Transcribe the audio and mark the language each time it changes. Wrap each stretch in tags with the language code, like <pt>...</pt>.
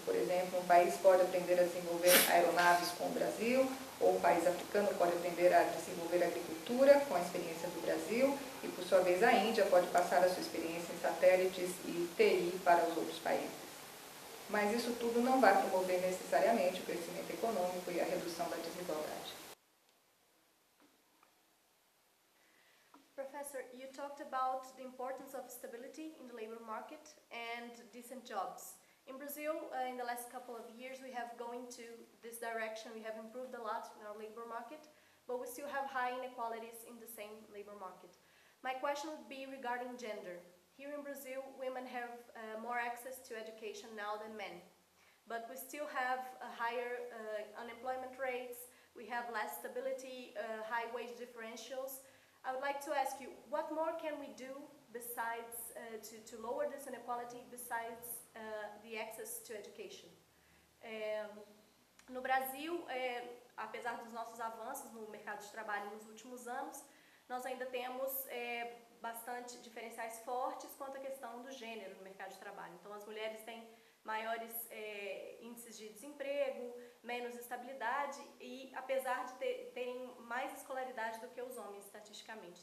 <pt>Por exemplo, um país pode aprender a desenvolver aeronaves com o Brasil, ou um país africano pode aprender a desenvolver agricultura com a experiência do Brasil, e, por sua vez, a Índia pode passar a sua experiência em satélites e TI para os outros países. Mas isso tudo não vai promover necessariamente o crescimento econômico e a redução da desigualdade.</pt> <en>Professor, you talked about the importance of stability in the labor market and decent jobs. In Brazil, in the last couple of years, we have gone to this direction. We have improved a lot in our labor market, but we still have high inequalities in the same labor market. My question would be regarding gender. Here in Brazil, women have more access to education now than men, but we still have a higher unemployment rates. We have less stability, high wage differentials. I would like to ask you, what more can we do besides to lower this inequality besides the access to education?</en> <pt>No Brasil, apesar dos nossos avanços no mercado de trabalho nos últimos anos, nós ainda temos bastante diferenciais fortes quanto à questão do gênero no mercado de trabalho. Então, as mulheres têm maiores índices de desemprego, menos estabilidade e, apesar de terem mais escolaridade do que os homens, estatisticamente.</pt>